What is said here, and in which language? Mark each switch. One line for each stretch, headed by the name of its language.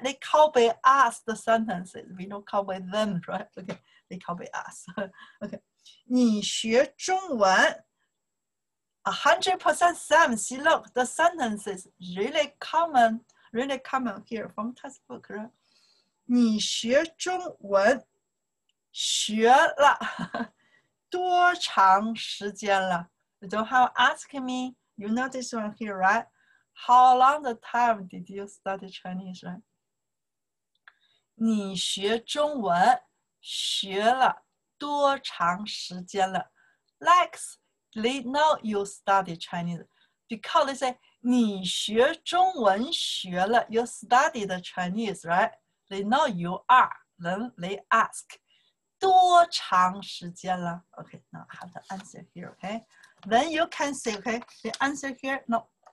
English: They copy us the sentences. We don't copy them, right? Okay, they copy us. Okay.
Chinese: 你学中文,
English: 100% Sam, see, look, the sentences really common here from textbook, right?
Chinese: 你学中文, 学了, 多长时间了?
English: You don't have asking me. You know this one here, right? How long the time did you study Chinese, right?
Chinese: 你学中文学了多长时间了?
English: Like, they know you study Chinese. Because they say,
Chinese: 你学中文学了,
English: you studied Chinese, right? They know you are. Then they ask,
Chinese: 多长时间了?
English: Okay, now I have the answer here, okay? Then you can say, okay, the answer here, no.